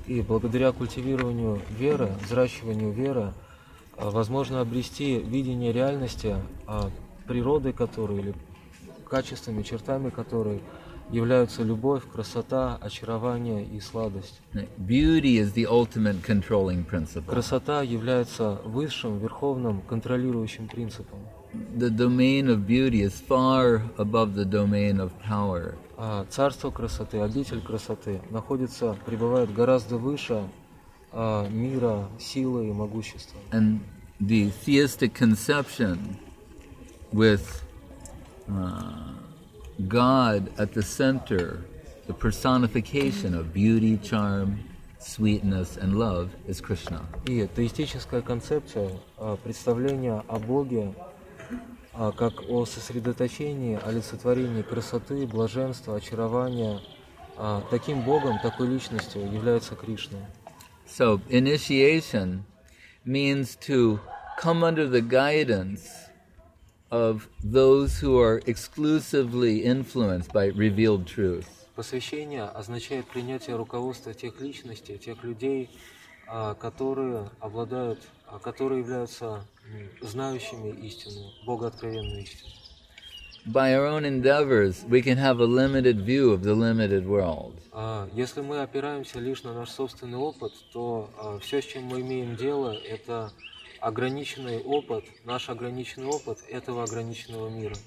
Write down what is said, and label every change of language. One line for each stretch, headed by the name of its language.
Russian: И благодаря культивированию веры, взращиванию веры, возможно обрести видение реальности, природы которой или качествами, чертами которой являются любовь, красота, очарование и сладость.
English: Beauty is the ultimate controlling principle.
Russian: Красота является высшим, верховным, контролирующим принципом.
English: The domain of beauty is far above the domain of power.
Russian: Царство красоты, обитель красоты находится, пребывает гораздо выше мира, силы и могущества.
English: And the theistic conception with God at the center, the personification of beauty, charm, sweetness and love is Krishna.
Russian: И теистическая концепция представления о Боге как о сосредоточении, олицетворении красоты, блаженства, очарования, таким Богом, такой личностью является Кришна.
English: So initiation means to come under the guidance of those who are exclusively influenced by revealed truth.
Russian: Посвящение означает принятие руководства тех личностей, тех людей, которые обладают, которые являются знающими истину, богооткровенную истину.
English: By our own endeavors, we can have a limited view of the limited world.
Russian: Если мы опираемся лишь на наш собственный опыт, то все, с чем мы имеем дело, это ограниченный опыт, наш ограниченный опыт этого ограниченного мира.